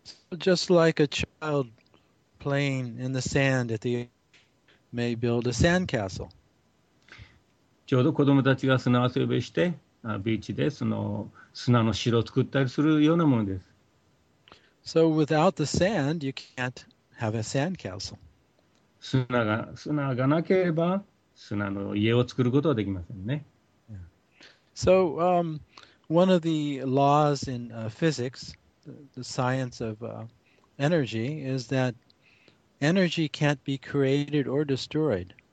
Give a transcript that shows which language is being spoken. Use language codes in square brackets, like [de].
[en] So、just like a child playing in the sand at the end may build a sandcastle. [ja] ちょうど子供たちが砂遊びして、ビーチでその砂の城を作ったりするようなものです。 [en] So without the sand, you can't have a sandcastle. [ja] 砂がなければ砂の家を作ることはできませんね。 [en] Yeah. So one of the laws in physics, the science of energy, is that energy can't be created or destroyed.